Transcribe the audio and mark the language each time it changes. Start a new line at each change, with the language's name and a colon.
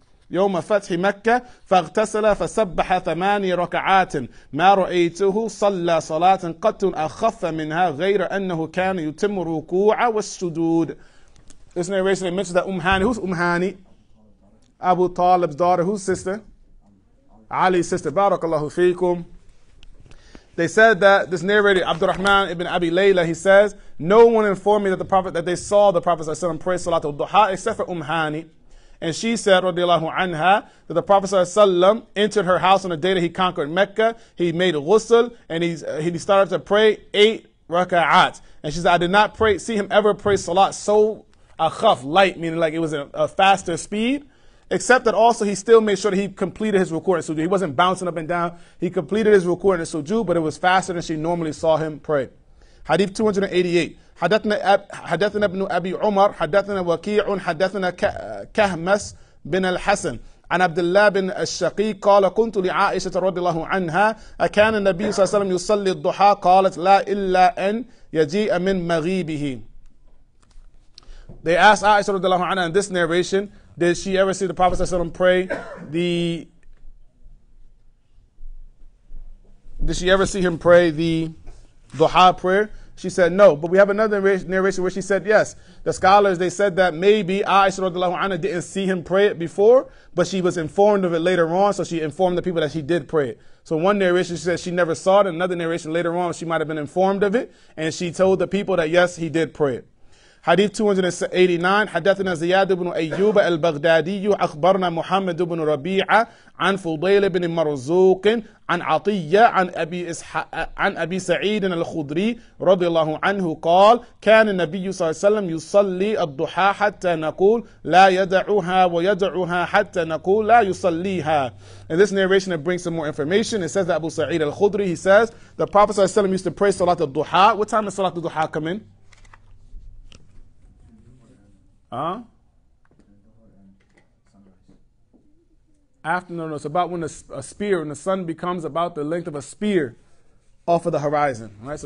Arabic: يوم فتح مكة فاغتسل فسبح ثماني ركعات ما رأيته صلى صلاة قط أخف منها غير أنه كان يتم ركوع والسجود.
English: This narration mentions that Hani, who's Hani? Abu Talib's daughter, whose sister? Ali's sister, barakallahu feekum. They said that this narrator, Abdurrahman ibn Abi Layla, he says, no one informed me that they saw the Prophet sallallahu alayhi wa sallam pray salatul duha except for Hani. And she said, radiallahu anha, that the Prophet sallallahu alayhi wa sallam entered her house on the day that he conquered Mecca. He made ghusl and he started to pray eight raka'at. And she said, I did not see him ever pray salat so akhaf, light, meaning like it was a faster speed, except that also he still made sure that he completed his ruku' and sujud. He wasn't bouncing up and down. He completed his ruku' and sujud, but it was faster than she normally saw him pray. Hadith 288.
Arabic: حدثنا ابن أبي عمر حدثنا وكيع حدثنا كهمس بن الحسن عن عبد الله بن الشقيق قال كنت لعائشة رضي الله عنها أكان النبي صلى الله عليه وسلم يصلي الضحى قالت لا إلا أن يجيء من مغيبه.
English: They asked Aisha رضي الله عنها in this narration, did she ever see the Prophet صلى الله عليه وسلم pray the did she ever see him pray the ضحى prayer? She said no. But we have another narration where she said yes. The scholars, they said that maybe Aisha radiallahu anha didn't see him pray it before, but she was informed of it later on, so she informed the people that he did pray it. So one narration, she said she never saw it. Another narration later on, she might have been informed of it, and she told the people that yes, he did pray it.
Arabic: Hadith 289, حدثنا زياد بن أيوب البغدادي أخبرنا محمد بن ربيعة عن فضيل بن مرزوق عن عطية عن أبي سعيد الخضري رضي الله عنه قال كان النبي صلى الله عليه وسلم يصلي الضحى حتى نقول لا يدعها ويدعها حتى نقول لا يصليها.
English: In this narration, it brings some more information. It says that Abu Sa'id al-Khudri, he says, the Prophet صلى الله عليه وسلم used to pray Salat al-Duha. What time does Salat al-Duha come in? Afternoon, it's about when a spear, when the sun becomes about the length of a spear off of the horizon, right?